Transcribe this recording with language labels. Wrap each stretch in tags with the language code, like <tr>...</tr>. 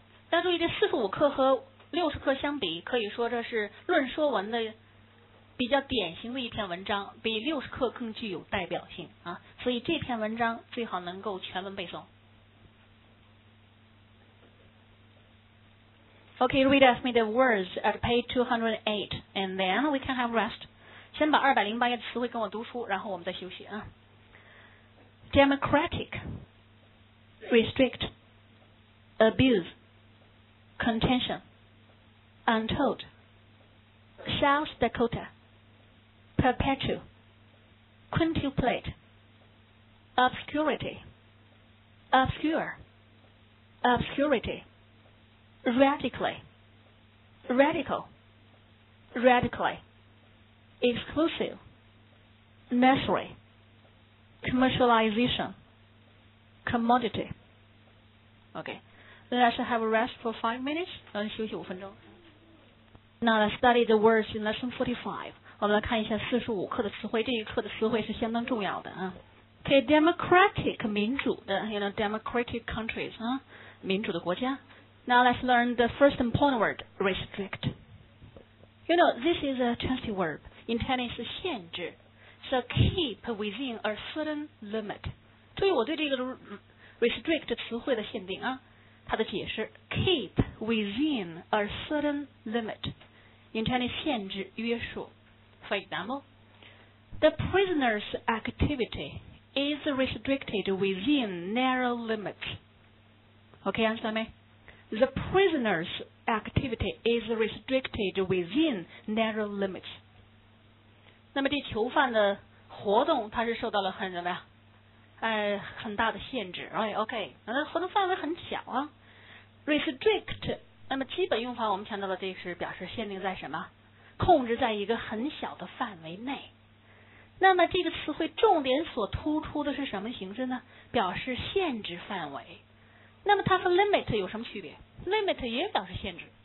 <zh>大家注意，这四十五课和六十课相比，可以说这是论说文的比较典型的一篇文章，比六十课更具有代表性啊。所以这篇文章最好能够全文背诵。</zh> <en>Okay, read with me the words at page 208, and then we can have rest.</en> <zh>先把208页的词汇跟我读出，然后我们再休息啊。</zh> <en>Democratic, restrict, abuse, contention, untold, South Dakota, perpetual, quintuplate, obscurity, obscure, obscurity, radically. Radical, radically, exclusive, nursery, commercialization, commodity. Okay, let's have a rest for 5 minutes.</en> <zh>能休息五分钟。</zh> <en>Now let's study the words in lesson 45.</en> <zh>我们来看一下四十五课的词汇。这一课的词汇是相当重要的啊。</zh> <en>Okay, democratic</en> <zh>民主的</zh> <en>，you know, democratic countries 啊，</en> <zh>民主的国家。</zh> <en>Now let's learn the first important word, restrict. You know, this is a transitive verb. In Chinese,</en> <zh>是限制</zh> <en>So keep within a certain limit.</en> <zh>注意我对这个 restrict 词汇的限定啊，它的解释</zh> <en>Keep within a certain limit. In Chinese,</en> <zh>限制约束</zh> <en>For example, the prisoner's activity is restricted within narrow limits. Okay, understand me? The prisoner's activity is restricted within narrow limits.</en> <zh>那么这囚犯的活动他是受到了很怎么样、很大的限制 right, OK, 那活动范围很小啊 Restrict 那么基本用法我们强调的这是表示限定在什么控制在一个很小的范围内那么这个词汇重点所突出的是什么形式呢表示限制范围那么它和 limit 有什么区别 limit 也表示限制</zh>